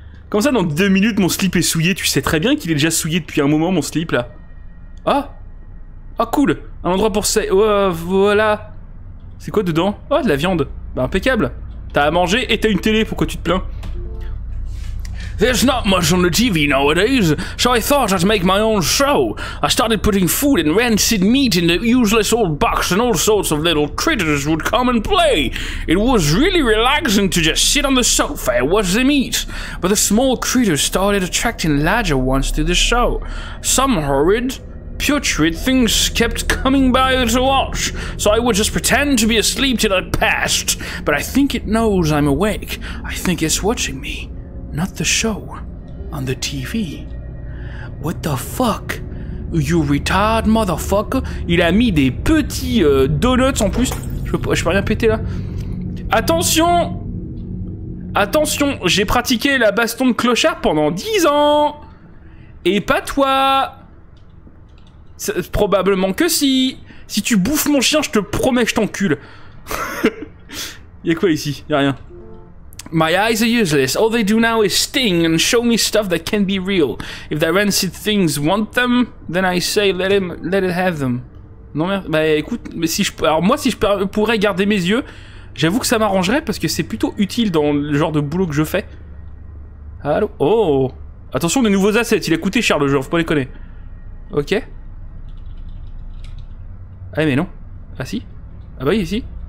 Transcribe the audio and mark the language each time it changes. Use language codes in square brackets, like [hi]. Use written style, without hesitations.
[fr] Comme ça, dans 2 minutes, mon slip est souillé. Tu sais très bien qu'il est déjà souillé depuis un moment, mon slip, là. Ah! Ah, cool! Un endroit pour... voilà! C'est quoi dedans? Oh, de la viande! Bah, impeccable! T'as à manger et t'as une télé, pourquoi tu te plains? [en] There's not much on the TV nowadays, so I thought I'd make my own show. I started putting food and rancid meat in the useless old box and all sorts of little critters would come and play. It was really relaxing to just sit on the sofa and watch them eat. But the small critters started attracting larger ones to the show. Some horrid, putrid things kept coming by to watch, so I would just pretend to be asleep till it passed. But I think it knows I'm awake. I think it's watching me. Not the show, on the TV. What the fuck? You retard motherfucker. [fr] Il a mis des petits donuts en plus. Je peux rien péter là. Attention! Attention, j'ai pratiqué la baston de clochard pendant 10 ans! Et pas toi! C'est, probablement que si. Si tu bouffes mon chien, je te promets que je t'encule. Y'a quoi ici? Y'a rien. [en] My eyes are useless. All they do now is sting and show me stuff that can't be real. If the rancid things want them, then I say let it have them. [fr] Non merde. Bah écoute, mais si je alors moi si je pourrais garder mes yeux, j'avoue que ça m'arrangerait parce que c'est plutôt utile dans le genre de boulot que je fais. Allô. Oh. Attention, des nouveaux assets. Il a coûté cher le jeu. Faut pas déconner. Ok. Ah mais non. Ah si. Ah bah oui, si.